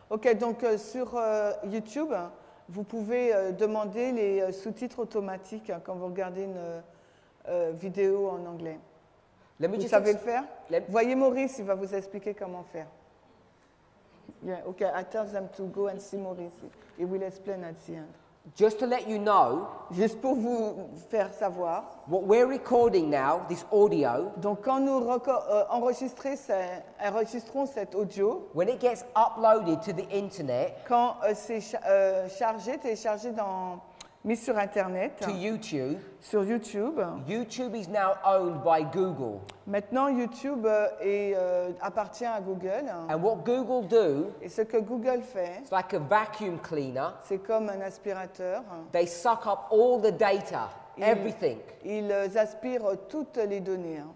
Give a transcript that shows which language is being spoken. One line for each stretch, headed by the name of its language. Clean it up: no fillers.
French: Okay, donc sur YouTube, vous pouvez demander les sous-titres automatiques quand vous regardez une vidéo en anglais.
English: Let me
French: vous
English: just
French: savez le faire? Voyez Maurice, il va vous expliquer comment faire.
English: Yeah, okay, I tell them to go and see Maurice. He will explain at the end. Just to let you know,
French: juste pour vous faire savoir,
English: what we're recording now, this audio,
French: donc quand nous enregistrons cet audio,
English: when it gets uploaded to the internet,
French: quand c'est téléchargé dans mis sur internet,
English: to YouTube,
French: sur YouTube,
English: YouTube is now owned by Google.
French: Maintenant YouTube appartient à Google.
English: And what Google do?
French: Et ce que Google fait?
English: It's like a vacuum cleaner.
French: C'est comme un aspirateur.
English: They suck up all the data, everything.
French: Ils aspirent toutes les données.